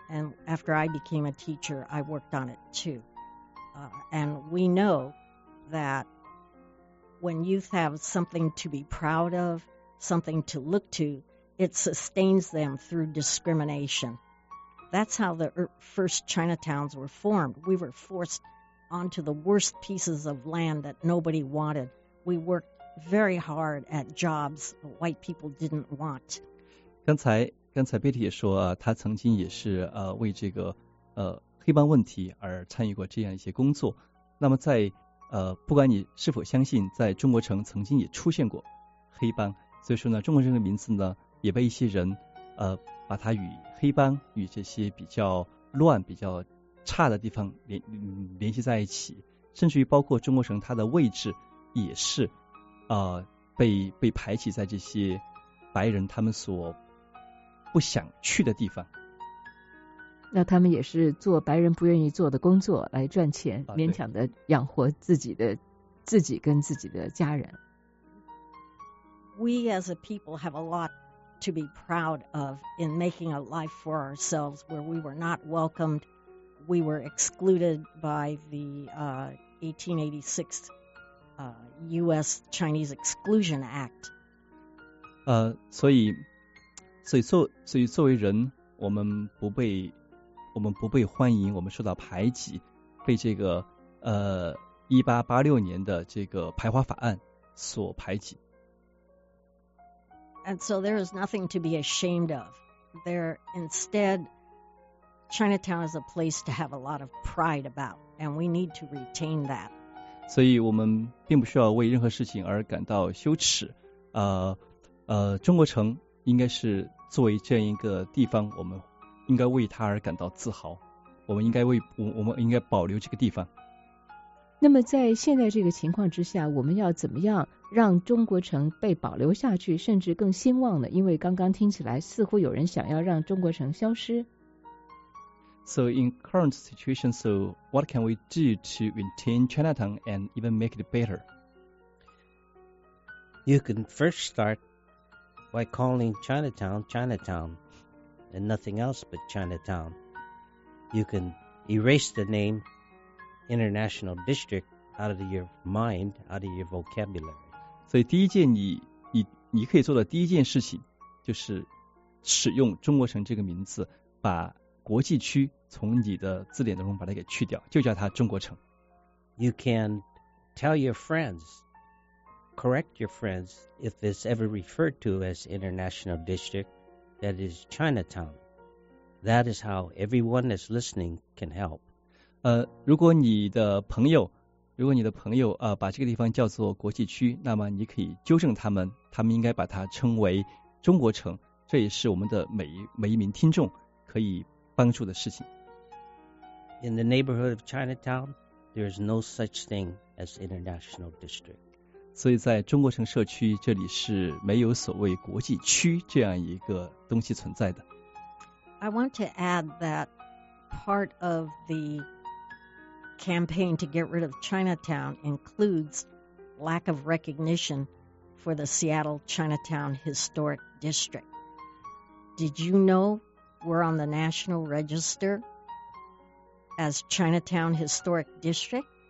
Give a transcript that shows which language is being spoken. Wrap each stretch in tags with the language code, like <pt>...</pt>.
<en>And after I became a teacher, I worked on it too. And we know that when youth have something to be proud of, something to look to, it sustains them through discrimination. That's how the first Chinatowns were formed. We were forced onto the worst pieces of land that nobody wanted. We worked very hard at jobs white people didn't want.</en> <zh>刚才 Betty 也说，他曾经也是为这个黑帮问题而参与过这样一些工作。那么在不管你是否相信，在中国城曾经也出现过黑帮，所以说呢，中国城的名字呢也被一些人把它与黑帮、与这些比较乱、比较差的地方联系在一起，甚至于包括中国城它的位置也是。被排挤在这些白人他们所不想去的地方。那他们也是做白人不愿意做的工作来赚钱，勉强的养活自己跟自己的家人。</zh> <en>We as a people have a lot to be proud of in making a life for ourselves where we were not welcomed, we were excluded by the 1886U.S. Chinese Exclusion Act.</en> <zh>所以作为人，我们不被欢迎，我们受到排挤，被这个1886年的这个排华法案所排挤。</zh> <en>And so there is nothing to be ashamed of. There, instead, Chinatown is a place to have a lot of pride about, and we need to retain that.</en> <zh>所以我们并不需要为任何事情而感到羞耻，中国城应该是作为这样一个地方，我们应该为它而感到自豪，我们应该保留这个地方。那么在现在这个情况之下，我们要怎么样让中国城被保留下去，甚至更兴旺呢？因为刚刚听起来似乎有人想要让中国城消失。</zh> <en>So in current situation, so what can we do to maintain Chinatown and even make it better? You can first start by calling Chinatown, Chinatown, and nothing else but Chinatown. You can erase the name International District out of your mind, out of your vocabulary.</en> <zh>所以第一件你可以做的第一件事情就是使用中国城这个名字，把国际区从你的字典当中把它给去掉，就叫它中国城。</zh> <en>You can tell your friends, correct your friends, if it's ever referred to as International District, that is Chinatown. That is how everyone that's listening can help.</en> <zh>如果你的朋友把这个地方叫做国际区，那么你可以纠正他们应该把它称为中国城，这也是我们的每一名听众可以帮助的事情。</zh> <en>In the neighborhood of Chinatown, there is no such thing as international district.</en> <zh>所以在中国城社区，这里是没有所谓国际区这样一个东西存在的。</zh> <en>I want to add that part of the campaign to get rid of Chinatown includes lack of recognition for the Seattle Chinatown Historic District. Did you know we're on the National Register as Chinatown Historic District?</en>